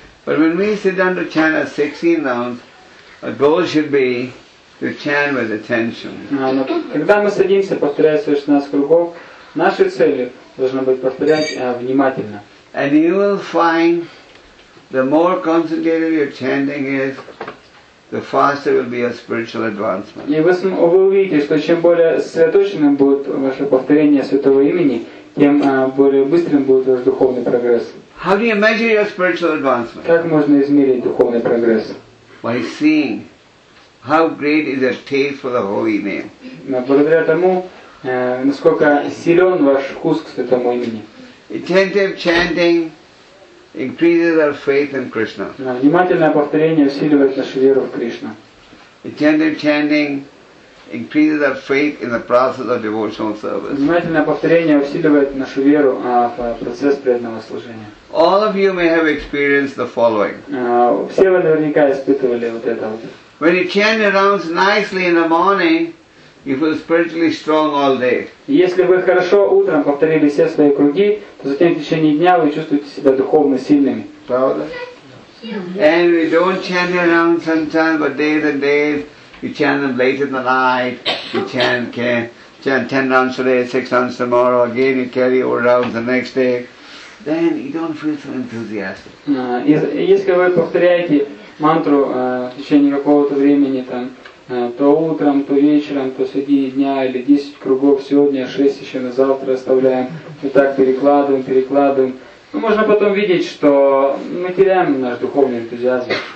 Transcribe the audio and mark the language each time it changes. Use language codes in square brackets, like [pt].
[en] But when we sit down to chant 16 rounds, a goal should be to chant with attention. [ru] Когда мы садимся повторять 16 кругов, нашей целью должно быть повторять внимательно. [en] And you will find the more concentrated your chanting is, the faster will be your spiritual advancement. [ru] И вы увидите, что чем более сосредоточенным будет ваше повторение святого имени, тем более быстрым будет ваш духовный прогресс. [en] How do you measure your spiritual advancement? [ru] Как можно измерить духовный прогресс? [en] By seeing How great is your taste for the holy name? [ru] Благодаря тому, насколько силен ваш вкус к этому имени. [en] Attentive chanting increases our faith in Krishna. [ru] Внимательное повторение усиливает нашу веру в Кришну. [en] Attentive chanting increases our faith in the process of devotional service. [ru] Внимательное повторение усиливает нашу веру в процесс преданного служения. [en] All of you may have experienced the following. [ru] Все вы наверняка испытывали вот это вот. [en] When you chant your rounds nicely in the morning, you feel spiritually strong all day. [ru] Если вы хорошо утром повторили все свои круги, то затем в течение дня вы чувствуете себя духовно сильными. Правда? [en] And we don't chant your rounds sometimes, but days and days, you chant them late in the night. You chant 10 rounds today, 6 rounds tomorrow. Again, you carry your rounds the next day. Then you don't feel so enthusiastic. [ru] Если вы повторяете мантру в течение какого-то времени, там, то утром, то вечером, то среди дня, или 10 кругов сегодня, 6 еще на завтра оставляем, и так перекладываем. Ну, можно потом видеть, что мы теряем наш духовный энтузиазм.